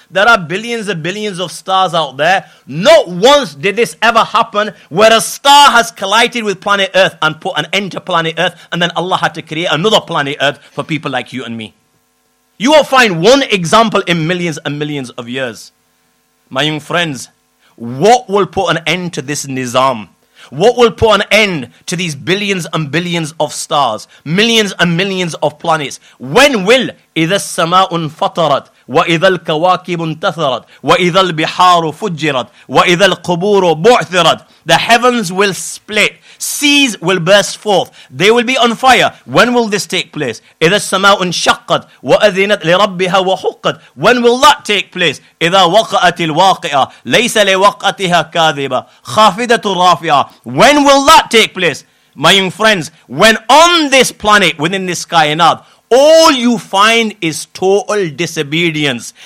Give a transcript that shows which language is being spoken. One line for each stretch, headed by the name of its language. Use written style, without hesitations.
English: There are billions and billions of stars out there. Not once did this ever happen where a star has collided with planet Earth and put an end to planet Earth, and then Allah had to create another planet Earth for people like you and me. You will find one example in millions and millions of years. My young friends, what will put an end to this nizam? What will put an end to these billions and billions of stars, millions and millions of planets? When will
Arabic: إِذَا السَّمَاءُ انْفَطَرَتْ وَإِذَا الْكَوَاكِبُ انْتَثَرَتْ وَإِذَا الْبِحَارُ فُجِّرَتْ وَإِذَا الْقُبُورُ بُعْثِرَتْ?
English: The heavens will split. Seas will burst forth. They will be on fire. When will this take place?
Arabic: إِذَا السَّمَاءُ انْشَقَّتْ وَأَذِنَتْ لِرَبِّهَا وَحُقَّتْ.
English: When will that take place?
Arabic: إِذَا وَقَأَتِ الْوَاقِعَةُ لَيْسَ لِوَقْعَتِهَا كَاذِبَةٌ خَافِضَةٌ رَافِعَةٌ.
English: When will that take place? My young friends, when on this planet, within this sky and earth, all you find is total disobedience.